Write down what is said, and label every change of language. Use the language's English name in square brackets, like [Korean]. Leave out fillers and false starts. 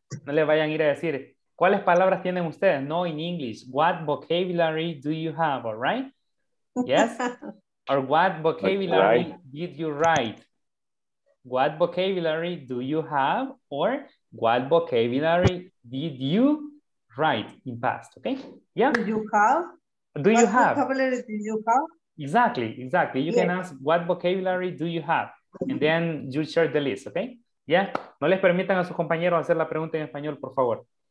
[Spanish] No le vayan a ir a decir, ¿cuáles palabras tienen ustedes? [English] No, in English, what vocabulary do you have, all right? Yes? Or what vocabulary did you write? What vocabulary do you have? Or what vocabulary did you write in past, okay? Yeah? Do you have? Do you have? What vocabulary do you have? Exactly, exactly. You can ask, what vocabulary do you have? And then you share the list, okay? Yeah. [Spanish] No les permitan a sus compañeros hacer la pregunta en español, por favor.